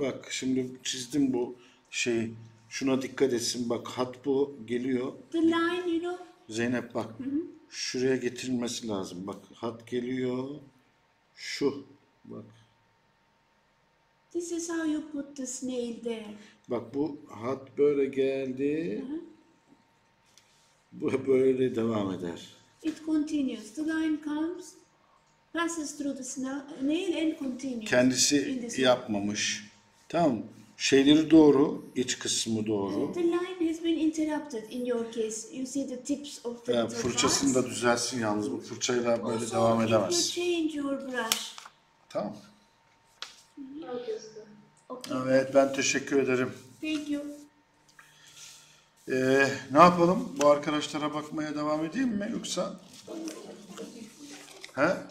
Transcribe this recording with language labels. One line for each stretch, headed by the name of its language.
Turkish: Bak, şimdi çizdim bu şeyi. Şuna dikkat etsin. Bak, hat bu geliyor.
English: The line, you know.
Turkish: Zeynep bak, şuraya getirilmesi lazım. Bak, hat geliyor. Şu, bak.
English: This is how you put the snail there.
Turkish: Bak bu hat böyle geldi. Bu böyle devam eder.
English: It continues. The line comes, passes through the snail and continues.
Turkish: Kendisi yapmamış. Tamam. Şeyleri doğru, iç kısmı doğru.
English: The line has been interrupted in your case. You see the tips of the
Turkish: fırçasını fırçasını da düzelsin yalnız. Bu fırçayla böyle
English: also,
Turkish: devam edemez.
English: You change your brush.
Turkish: Tamam.
English: Okay.
Turkish: Evet, ben teşekkür ederim.
English: Thank you.
Turkish: Ne yapalım? Bu arkadaşlara bakmaya devam edeyim mi yoksa? He?